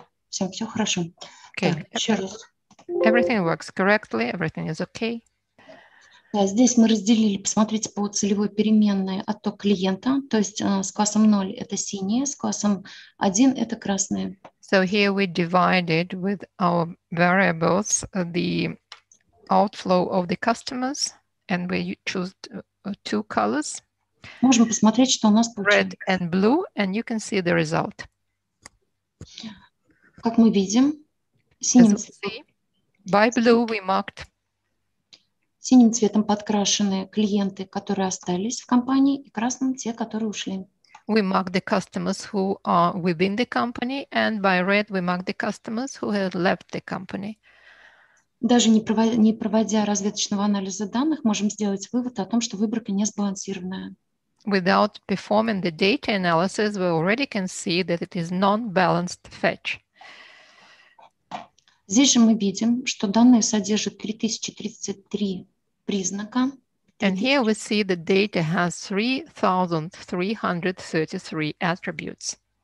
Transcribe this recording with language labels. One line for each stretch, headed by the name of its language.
Russian: Все хорошо.
English: Okay.
Russian: Так, еще раз.
English: Everything works correctly. Everything is okay.
Russian: Да, здесь мы разделили, посмотрите, по целевой переменной отток клиента. То есть с классом 0 это синие, с классом 1 это красные.
English: So here we divided with our variables the outflow of the customers, and we choose two colors.
Russian: Можем посмотреть, что у нас получилось.
English: Red and blue, and you can see the result.
Russian: Как мы видим, синим цветом.
English: By blue we marked.
Russian: Синим цветом подкрашены клиенты, которые остались в компании, и красным те, которые ушли.
English: We mark the customers who are within the company, and by red we mark the customers who have left the company.
Russian: Даже не проводя разведочного анализа данных, можем сделать вывод о том, что выборка не сбалансированная.
English: Without performing the data analysis, we already can see that it is non-balanced fetch.
Russian: Здесь же мы видим, что данные содержат 3033 признака.
English: And here we see the data has 3,333 attributes.